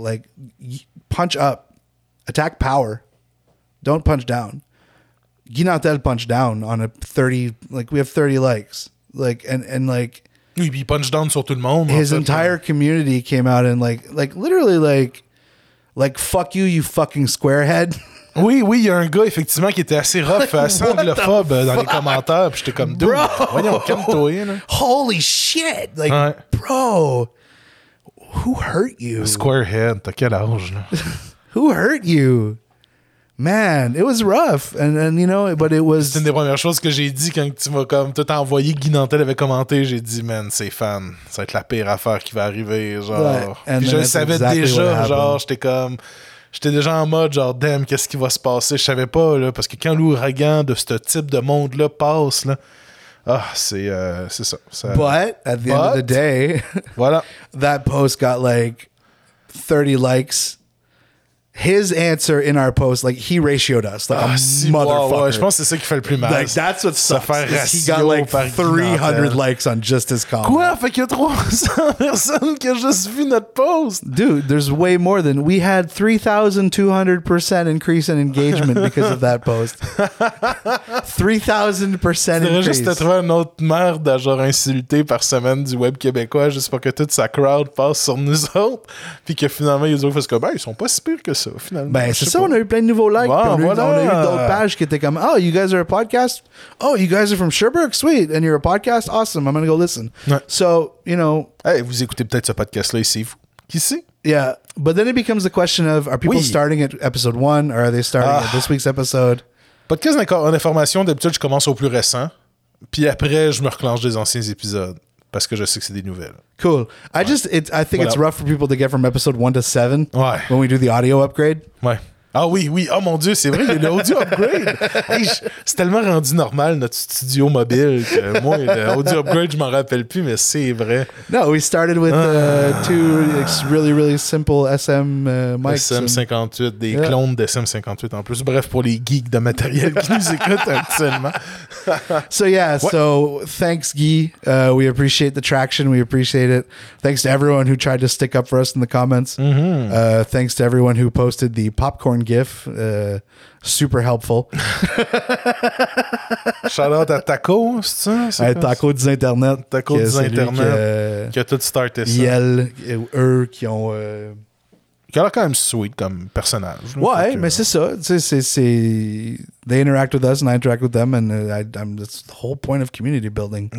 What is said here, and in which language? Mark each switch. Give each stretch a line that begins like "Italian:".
English: Like, punch up, attack power, don't punch down. Guinatel punched down on a 30, like we have 30 likes, like and like he punched down
French: sur tout le monde.
English: His entire community came out and like literally like fuck you, you fucking squarehead.
French: Oui, il y a un gars effectivement qui était assez rough, assez anglophobe dans les commentaires, puis j'étais comme
English: dude, bro,
French: voyons, calme-toi, là.
English: Holy shit, like
French: ouais.
English: Bro, who hurt you?
French: Squarehead, t'as quel âge là?
English: Who hurt you? Man, it was rough, and you know, but it was.
French: C'est une des premières choses que j'ai dit quand tu m'as comme tout envoyé. Guy Nantel avait commenté. J'ai dit, man, c'est fan. Ça va être la pire affaire qui va arriver, genre. Puis je savais
English: exactly
French: déjà, genre, j'étais déjà en mode genre, damn, qu'est-ce qui va se passer? Je savais pas là, parce que quand l'ouragan de ce type de monde là passe là, ah, c'est ça. C'est,
English: but at the end of the day,
French: voilà.
English: That post got like 30 likes. His answer in our post, like, he ratioed us, like, ah, a si, motherfucker. Wow,
French: ouais. Je pense que c'est ça qui fait le plus mal.
English: Like, that's what sucks. He got, like, 300 likes on just his comment.
French: Quoi? Fait qu'il y a 300 personnes qui ont juste vu notre post.
English: Dude, there's way more than... We had 3,200% increase in engagement because of that post. 3,000% increase.
French: C'est juste de trouver une autre merde à, genre, insulter par semaine du web québécois juste pour que toute sa crowd passe sur nous autres. Puis que finalement, ils ont fait ce que, ben, ils sont pas si pires que ça. Ça, ben, c'est ça, pas. On a eu plein de nouveaux likes. Wow, on a eu d'autres pages qui étaient comme,
English: oh, you guys are a podcast? Oh, you guys are from Sherbrooke? Sweet. And you're a podcast? Awesome. I'm going to go listen.
French: Ouais.
English: So, you know.
French: Hey, vous écoutez peut-être ce podcast-là ici. Qui sait?
English: Yeah. But then it becomes the question of, are people starting at episode one or are they starting at this week's episode?
French: Podcast en information, d'habitude, je commence au plus récent. Puis après, je me reclenche des anciens épisodes. Parce que je sais que c'est des nouvelles. Cool. Ouais.
English: I think it's rough for people to get from episode 1 to 7.
French: Ouais.
English: When we do the audio upgrade.
French: Ouais. Ah oui. Oh mon Dieu, c'est vrai, il y a l'audio upgrade. Hey, c'est tellement rendu normal, notre studio mobile, que moi, l'audio upgrade, je m'en rappelle plus, mais c'est vrai.
English: No, we started with two really, really simple SM mics.
French: SM58, des clones d'SM58 en plus. Bref, pour les geeks de matériel qui nous écoutent actuellement.
English: So yeah, what? So thanks Guy. We appreciate the traction, we appreciate it. Thanks to everyone who tried to stick up for us in the comments. Mm-hmm. Thanks to everyone who posted the popcorn GIF, super helpful.
French: Shout out à Taco, c'est ça? Hey, Taco du Internet. Taco du Internet. Qui a tout starté ça. Yel, eux qui ont. Qui a l'air quand même sweet comme personnage. Ouais, mais c'est ça. C'est
English: they interact with us and I interact with them, and I'm that's the whole point of community building.